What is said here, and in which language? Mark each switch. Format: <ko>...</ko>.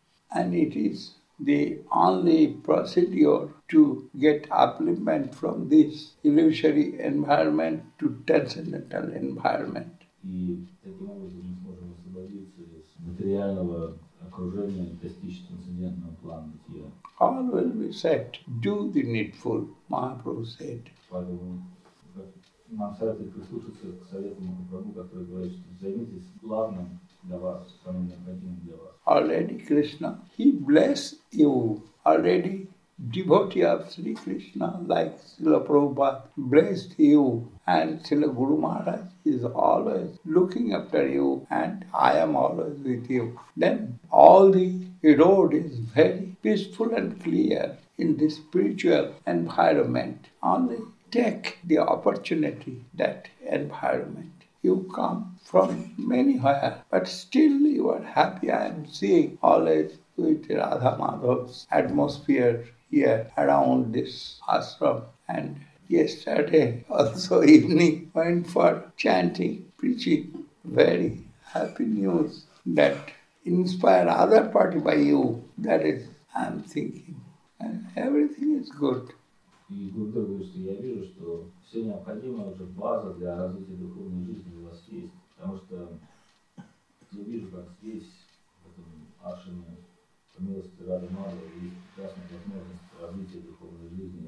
<en>And it is the only procedure to get upliftment from this illusory environment to transcendental environment.</en> <ru>И таким образом мы сможем освободиться из материального окружения и достичь трансцендентного плана бытия.</ru> <en>All will be set. Do the needful, Mahaprabhu said.</en> <ru>Поэтому нам советует прислушаться к совету Махапрабху, который говорит, что займитесь главным для вас, самым необходимым для вас.</ru> <en>Already Krishna, he bless you. Already devotee of Sri Krishna like Srila Prabhupada blessed you, and Srila Guru Maharaj is always looking after you, and I am always with you. Then all the road is very peaceful and clear in the spiritual environment. Only take the opportunity, that environment. You come from anywhere, but still you are happy. I am seeing always with Radha Madhav's atmosphere here around this ashram. And yesterday also evening went for chanting, preaching. Very happy news that inspire other party by you. That is, I am thinking. And everything is good.</en> <ru>И Гурдеву, если я вижу, что все необходимое уже база для развития духовной жизни у вас есть, потому что я вижу, как здесь, в этом ашине, по милости Рады Мадхавы, есть прекрасная возможность развития духовной жизни.</ru>